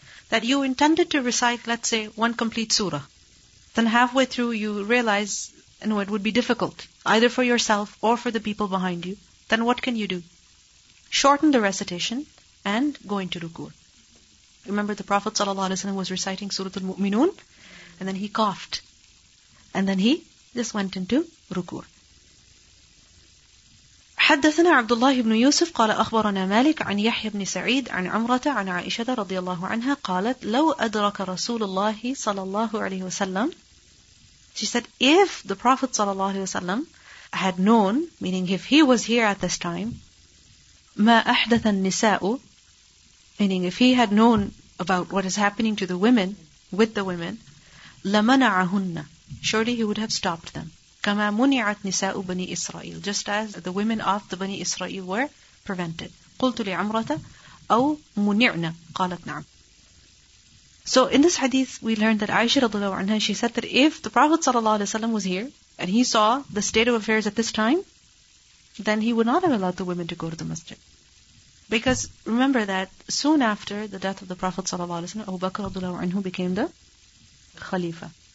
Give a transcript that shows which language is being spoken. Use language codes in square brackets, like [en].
[en] That you intended to recite, let's say, one complete surah. Then halfway through you realize, no, it would be difficult, either for yourself or for the people behind you. Then what can you do? Shorten the recitation and go into ruku'. Remember the Prophet ﷺ was reciting Surah Al-Mu'minun, and then he coughed. And then he just went into ruku. [ar] حدثنا عبد الله بن يوسف قال أخبرنا مالك عن يحيى بن سعيد عن عمرة عن عائشة رضي الله عنها قالت لو أدرك رسول الله صلى الله عليه وسلم. [en] She said, if the Prophet ﷺ had known, meaning if he was here at this time, [ar] ما أحدث النساء, [en] meaning if he had known about what is happening to the women, with the women, [ar] لمنعهن, [en] surely he would have stopped them. [ar] كما منعت نساء بني إسرائيل, [en] just as the women of the Bani Israel were prevented. [ar] قلت لعمرة أو منعنا, قالت نعم. [en] So in this hadith, we learned that Aisha radhiallahu anha, she said that if the Prophet sallallahu alaihi wasallam was here and he saw the state of affairs at this time, then he would not have allowed the women to go to the masjid. Because remember that soon after the death of the Prophet sallallahu alaihi wasallam, Abu Bakr radhiallahu anhu became the Khalifa.